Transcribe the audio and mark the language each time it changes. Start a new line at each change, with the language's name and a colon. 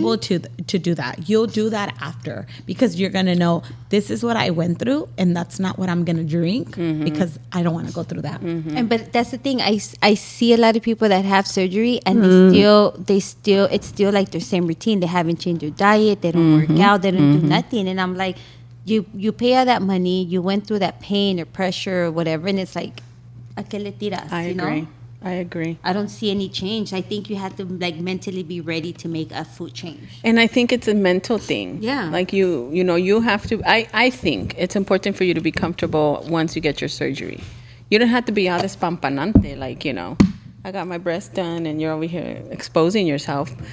English: You won't be able to do that. You'll do that after because you're going to know, this is what I went through and that's not what I'm going to drink because I don't want to go through that. Mm-hmm. And but that's the thing. I see a lot of people that have surgery and they still it's still, like, their same routine. They haven't changed their diet. They don't work out. They don't do nothing. And I'm like, you pay all that money. You went through that pain or pressure or whatever. And it's like,
Spanish: ¿a qué le tiras?
English: I agree. I don't see any change. I think you have to, like, mentally be ready to make a food change. And I think it's a mental thing. Yeah. Like, you know, you have to... I think it's important for you to be comfortable once you get your surgery. You don't have to be all this pampanante, like, you know, I got my breast done and you're over here exposing yourself.